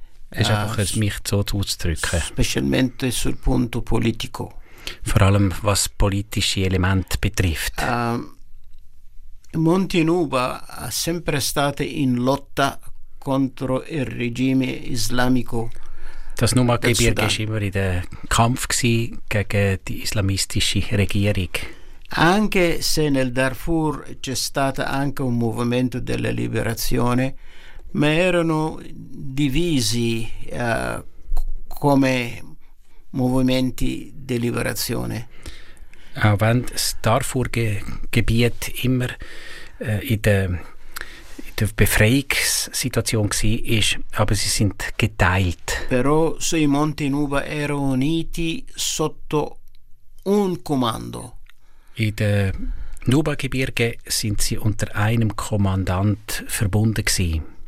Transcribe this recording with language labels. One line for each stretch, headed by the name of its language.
German: Es ist einfacher, mich so auszudrücken.
Italian: Specialmente sul punto politico.
German: Vor allem, was politische Elemente betrifft.
Italian: Monte Nuba ha sempre stato in lotta contro il regime islamico.
German: Das Nuba-Gebirge war immer in der Kampf gegen die islamistische Regierung.
Italian: Anche se nel Darfur c'è stato anche un movimento della liberazione, ma erano divisi come movimenti di liberazione.
German: Auch wenn das Darfur-Gebiet immer in der Befreiungssituation war, aber sie sind geteilt.
Italian: Però sui Monti Nuba erano uniti sotto un comando.
German: In den Nuba-Gebirgen sind sie unter einem Kommandant verbunden gewesen.